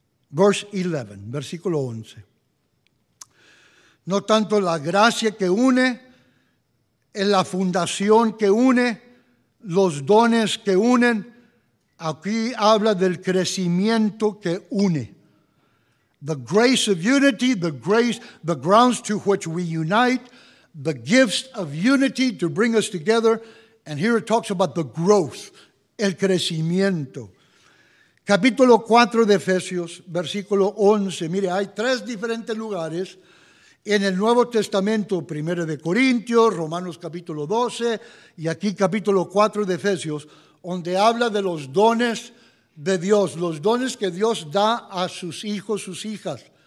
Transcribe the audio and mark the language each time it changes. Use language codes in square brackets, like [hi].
[en] Verse 11, [es] versículo 11. No tanto la gracia que une, en la fundación que une, los dones que unen. Aquí habla del crecimiento que une. [en] The grace of unity, the grace, the grounds to which we unite, the gifts of unity to bring us together. And here it talks about the growth, [es] el crecimiento. Capítulo 4 de Efesios, versículo 11. Mire, hay tres diferentes lugares en el Nuevo Testamento. Primero de Corintios, Romanos capítulo 12 y aquí capítulo 4 de Efesios, donde habla de los dones de Dios, los dones que Dios da a sus hijos, sus hijas.